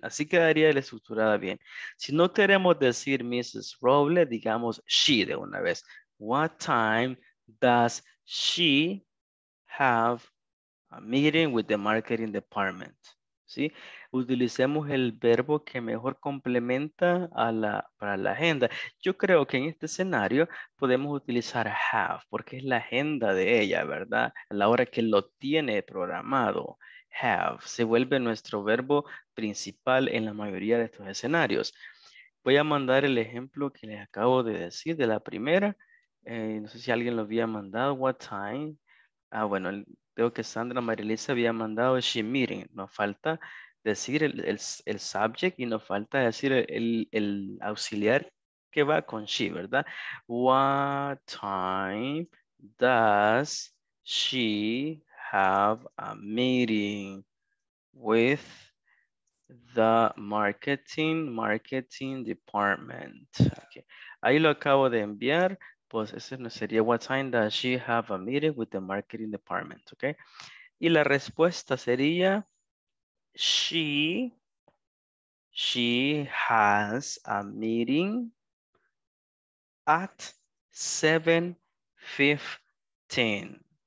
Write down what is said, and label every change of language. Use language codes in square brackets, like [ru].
[es] Así quedaría la estructurada bien. Si no queremos decir Mrs. [en] Robles, digamos she de una vez. What time does she have a meeting with the marketing department? [es] ¿Sí? Utilicemos el verbo que mejor complementa para la agenda. Yo creo que en este escenario podemos utilizar have, porque es la agenda de ella, ¿verdad? A la hora que lo tiene programado. Have se vuelve nuestro verbo principal en la mayoría de estos escenarios. Voy a mandar el ejemplo que les acabo de decir de la primera. No sé si alguien lo había mandado. What time? Ah, bueno, veo que Sandra Marilisa había mandado she meeting. Nos falta decir el subject y nos falta decir el auxiliar que va con she, ¿verdad? [en] What time does she have a meeting with the marketing department? Okay. Ahí lo acabo de enviar. Pues ese no sería what time does she have a meeting with the marketing department, ¿ok? Y la respuesta sería she has a meeting at 7:15.